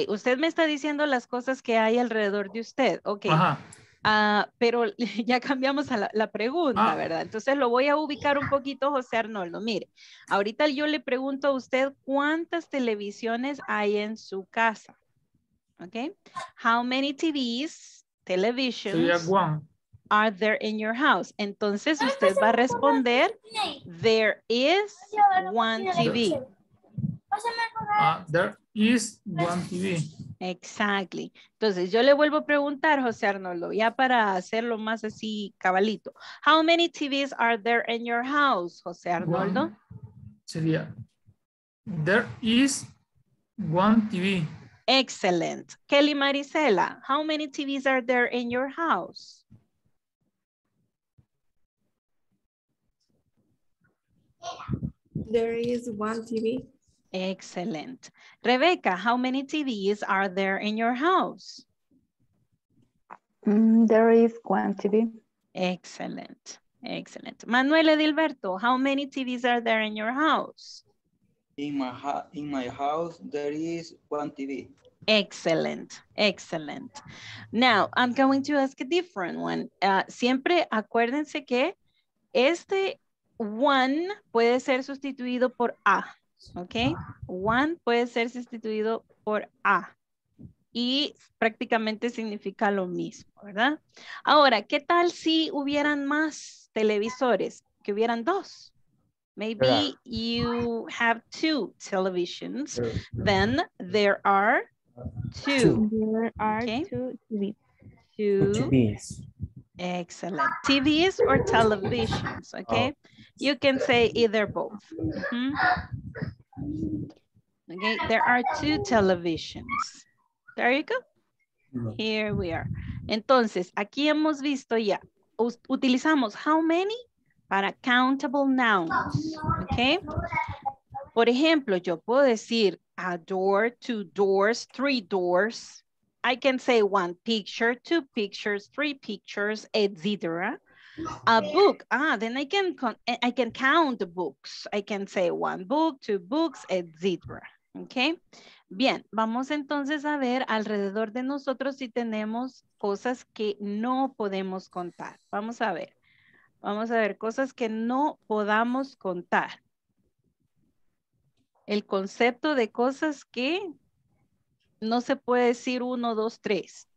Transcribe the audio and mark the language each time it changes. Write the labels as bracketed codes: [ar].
[es] Usted me está diciendo las cosas que hay alrededor de usted. Ok. Ajá. Pero ya cambiamos a la pregunta, ¿verdad? Entonces lo voy a ubicar un poquito, José Arnoldo. Mire, ahorita yo le pregunto a usted cuántas televisiones hay en su casa. ¿Ok? [en] How many TVs, televisions, are there in your house? [es] Entonces usted va a responder, [en] there is one TV. There is one TV. Exactly. Entonces, yo le vuelvo a preguntar, José Arnoldo, ya para hacerlo más así cabalito. How many TVs are there in your house, José Arnoldo? [es] Sería, [en] there is one TV. Excellent. Kelly Maricela, how many TVs are there in your house? There is one TV. Excellent. Rebecca, how many TVs are there in your house? There is one TV. Excellent. Excellent. Manuel Edilberto, how many TVs are there in your house? In my house, there is one TV. Excellent. Excellent. Now, I'm going to ask a different one. [es] Siempre acuérdense que este one puede ser sustituido por a. Okay, one puede ser sustituido por a y prácticamente significa lo mismo, ¿verdad? Ahora, ¿qué tal si hubieran más televisores? Que hubieran dos. [en] Maybe you have two televisions, then there are two. There are okay. Two TVs. Excellent. TVs or televisions, okay? Oh. You can say either both. Mm-hmm. Okay, there are two televisions. There you go. Here we are. [es] Entonces, aquí hemos visto ya. Utilizamos [en] how many [es] para [en] countable nouns. [es] Okay. Por ejemplo, yo puedo decir [en] a door, two doors, three doors. I can say one picture, two pictures, three pictures, etc. A book, then I can count the books. I can say one book, two books, etc. Okay. [es] Bien, vamos entonces a ver alrededor de nosotros si tenemos cosas que no podemos contar. Vamos a ver. Vamos a ver cosas que no podamos contar. El concepto de cosas que no se puede decir uno, dos, tres.